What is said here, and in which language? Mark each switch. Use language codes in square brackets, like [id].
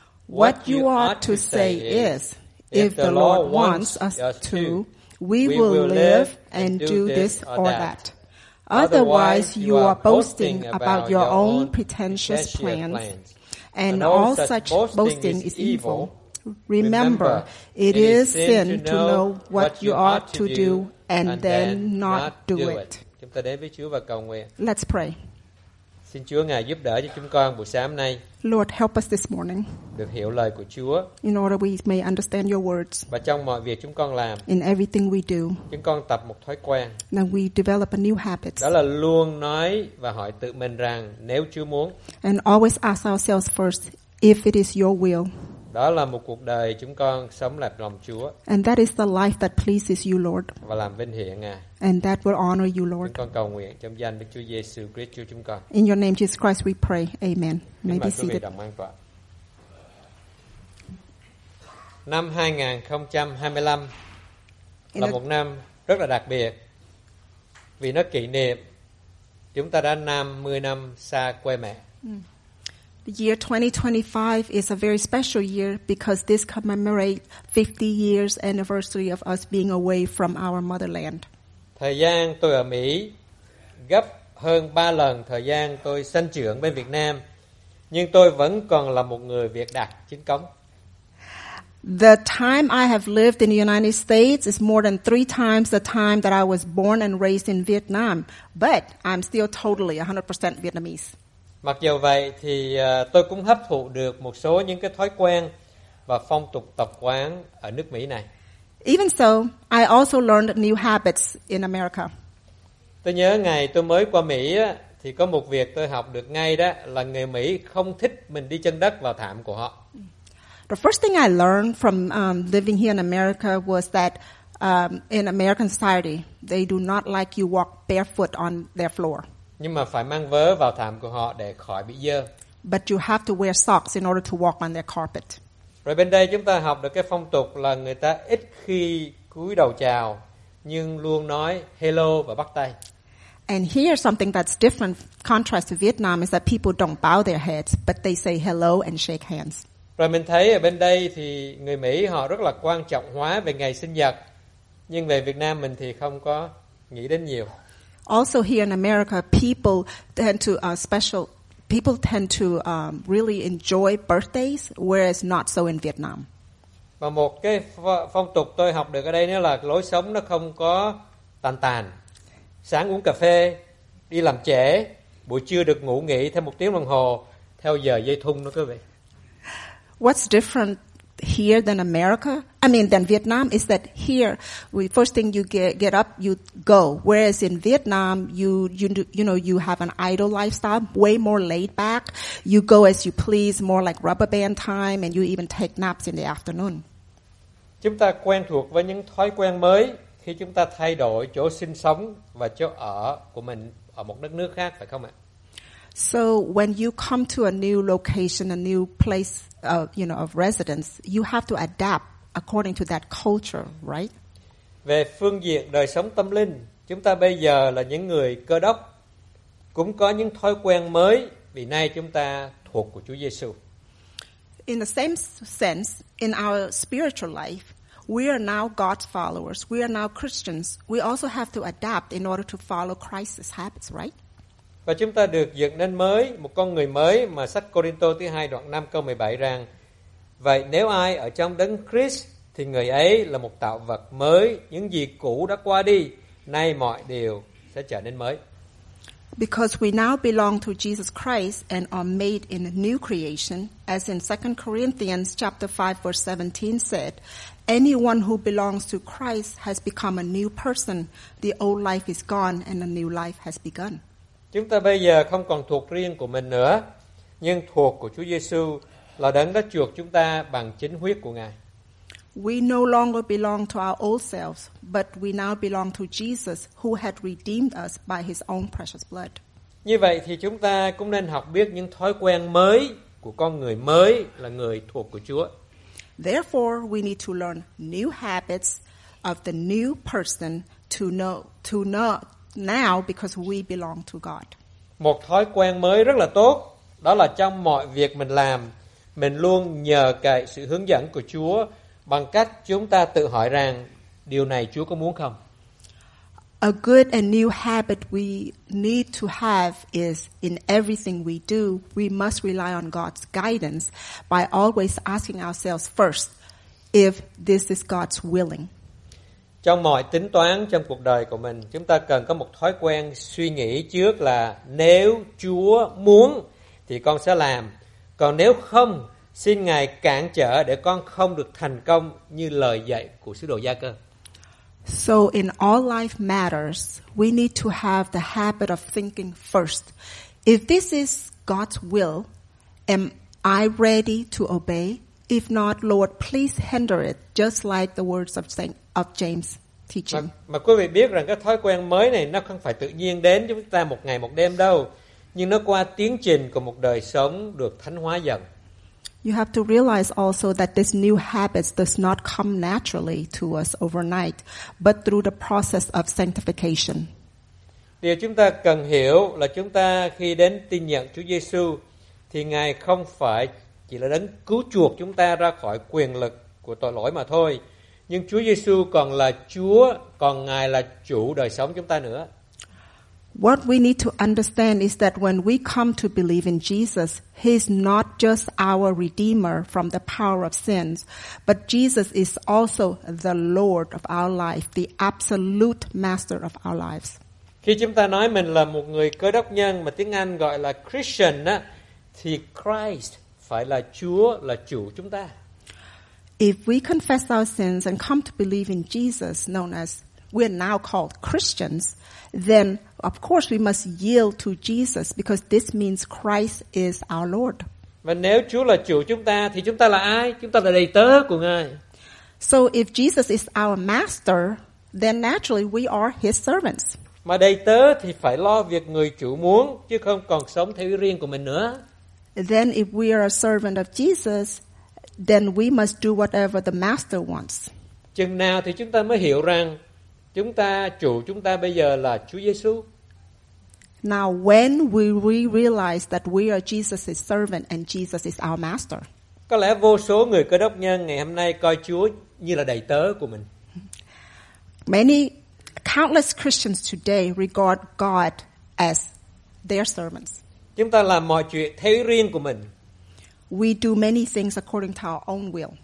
[en] What you ought to say is, if the Lord wants us to, we will live and do this or that. Otherwise, you are boasting about your own pretentious plans, and all such boasting is evil. Remember, it is sin to know what you ought to do and then not do it. [vi] Chúng ta đến với Chúa và cầu nguyện. [en] Let's pray. [vi] Xin Chúa ngài giúp đỡ cho chúng con buổi sáng nay. [en] Lord, help us this morning. [vi] Được hiểu lời của Chúa. [en] In order we may understand your words. [vi] Và trong mọi việc chúng con làm. [en] In everything we do. [vi] Chúng con tập một thói quen. [en] Now we develop a new habit. [vi] Đó là luôn nói và hỏi tự mình rằng nếu Chúa muốn. [en] And always ask ourselves first if it is your will. [vi] Đó là một cuộc đời chúng con sống lạc lòng Chúa. [en] And that is the life that pleases you, Lord. [vi] Và làm vinh hiển Ngài. [en] And that will honor you, Lord. [vi] Chúng con cầu nguyện trong danh Đức Chúa Giêsu Christ, Chúa chúng con. [en] In your name, Jesus Christ, we pray. Amen. May be seated. [vi] Năm 2025 là một năm rất là đặc biệt vì nó kỷ niệm chúng ta đã 50 năm xa quê mẹ. [en] The year 2025 is a very special year because this commemorates 50 years anniversary of us being away from our motherland. [vi] Thời gian tôi ở Mỹ gấp hơn 3 lần thời gian tôi sinh trưởng bên Việt Nam, nhưng tôi vẫn còn là một người Việt đặc chính cống. [en] The time I have lived in the United States is more than 3 times the time that I was born and raised in Vietnam, but I'm still totally 100% Vietnamese. [vi] Mặc dù vậy thì tôi cũng hấp thụ được một số những cái thói quen và phong tục tập quán ở nước Mỹ này. [en] Even so, I also learned new habits in America. [vi] Tôi nhớ ngày tôi mới qua Mỹ thì có một việc tôi học được ngay đó là người Mỹ không thích mình đi chân đất vào thảm của họ. [en] The first thing I learned from living here in America was that in American society, they do not like you walk barefoot on their floor. [vi] Nhưng mà phải mang vớ vào thảm của họ để khỏi bị dơ. [en] But you have to wear socks in order to walk on their carpet. [vi] Rồi bên đây chúng ta học được cái phong tục là người ta ít khi cúi đầu chào, nhưng luôn nói hello và bắt tay. [en] And here's something that's different, contrast to Vietnam, is that people don't bow their heads, but they say hello and shake hands. [vi] Rồi mình thấy ở bên đây thì người Mỹ họ rất là quan trọng hóa về ngày sinh nhật, nhưng về Việt Nam mình thì không có nghĩ đến nhiều. [en] Also here in America, people tend to really enjoy birthdays, whereas not so in Vietnam. [vi] Và một cái phong tục tôi học được ở đây nữa là lối sống nó không có tàn tàn. Sáng uống cà phê, đi làm trễ, buổi trưa được ngủ nghỉ thêm một tiếng đồng hồ theo giờ dây thun đó quý vị. [en] What's different here than America? Than Vietnam is that here, we first thing you get up, you go. Whereas in Vietnam, you have an idle lifestyle, way more laid back. You go as you please, more like rubber band time, and you even take naps in the afternoon. [vi] Chúng ta quen thuộc với những thói quen mới khi chúng ta thay đổi chỗ sinh sống và chỗ ở của mình ở một đất nước khác phải không ạ? [en] So when you come to a new location, a new place of, you know, of residence, you have to adapt according to that culture, right? [vi] Về phương diện đời sống tâm linh, chúng ta bây giờ là những người Cơ Đốc cũng có những thói quen mới vì nay chúng ta thuộc của Chúa Giêsu. [en] In the same sense, in our spiritual life, we are now God's followers. We are now Christians. We also have to adapt in order to follow Christ's habits, right? [vi] Và chúng ta được dựng nên mới, một con người mới mà sách Côrintô thứ 2 đoạn 5 câu 17 rằng: Vậy nếu ai ở trong Đấng Christ thì người ấy là một tạo vật mới, những gì cũ đã qua đi, nay mọi điều sẽ trở nên mới. [en] Because we now belong to Jesus Christ and are made in a new creation, as in 2 Corinthians chapter 5 verse 17 said, anyone who belongs to Christ has become a new person. The old life is gone and a new life has begun. [vi] Chúng ta bây giờ không còn thuộc riêng của mình nữa, nhưng thuộc của Chúa Giêsu là Đấng đã chuộc chúng ta bằng chính huyết của Ngài. [en] We no longer belong to our old selves, but we now belong to Jesus who had redeemed us by his own precious blood. [vi] Như vậy thì chúng ta cũng nên học biết những thói quen mới của con người mới là người thuộc của Chúa. [en] Therefore, we need to learn new habits of the new person to know now because we belong to God. [vi] Một thói quen mới rất là tốt, đó là trong mọi việc mình làm, mình luôn nhờ cậy sự hướng dẫn của Chúa bằng cách chúng ta tự hỏi rằng điều này Chúa có muốn không? [en] A good and new habit we need to have is in everything we do, we must rely on God's guidance by always asking ourselves first if this is God's willing. [vi] Trong mọi tính toán trong cuộc đời của mình, chúng ta cần có một thói quen suy nghĩ trước là nếu Chúa muốn thì con sẽ làm, còn nếu không, xin Ngài cản trở để con không được thành công như lời dạy của sứ đồ Gia-cơ. [en] So in all life matters, we need to have the habit of thinking first. If this is God's will, am I ready to obey? If not, Lord, please hinder it, just like the words of Saint of James teaching. [vi] Mà quý vị biết rằng cái thói quen mới này nó không phải tự nhiên đến chúng ta một ngày một đêm đâu, nhưng nó qua tiến trình của một đời sống được thánh hóa dần. [en] You have to realize also that this new habit does not come naturally to us overnight, but through the process of sanctification. [vi] Điều chúng ta cần hiểu là chúng ta khi đến tin nhận Chúa Giêsu thì Ngài không phải chỉ là đấng cứu chuộc chúng ta ra khỏi quyền lực của tội lỗi mà thôi, nhưng Chúa Giêsu còn là Chúa, còn Ngài là chủ đời sống chúng ta nữa. [en] What we need to understand is that when we come to believe in Jesus, he is not just our redeemer from the power of sins, but Jesus is also the Lord of our life, the absolute master of our lives. [vi] Khi chúng ta nói mình là một người Cơ Đốc nhân mà tiếng Anh gọi là Christian á, thì Christ phải là Chúa, là chủ chúng ta. [en] If we confess our sins and come to believe in Jesus, known as we are now called Christians, then of course we must yield to Jesus because this means Christ is our Lord. [vi] Và nếu Chúa là chủ chúng ta thì chúng ta là ai? Chúng ta là đầy tớ của Ngài. [en] So if Jesus is our master, then naturally we are his servants. [vi] Mà đầy tớ thì phải lo việc người chủ muốn chứ không còn sống theo ý riêng của mình nữa. [en] Then if we are a servant of Jesus, then we must do whatever the master wants. [vi] Chừng nào thì chúng ta mới hiểu rằng chúng ta, chủ chúng ta bây giờ là Chúa Giêsu. [en] Now when will we realize that we are Jesus' servant and Jesus is our master? [vi] Có lẽ vô số người Cơ Đốc nhân ngày hôm nay coi Chúa như là đầy tớ của mình. [en] Many countless Christians today regard God as their servants. [vi] Chúng ta làm mọi chuyện theo ý riêng của mình. [en] We do many things according to our own will.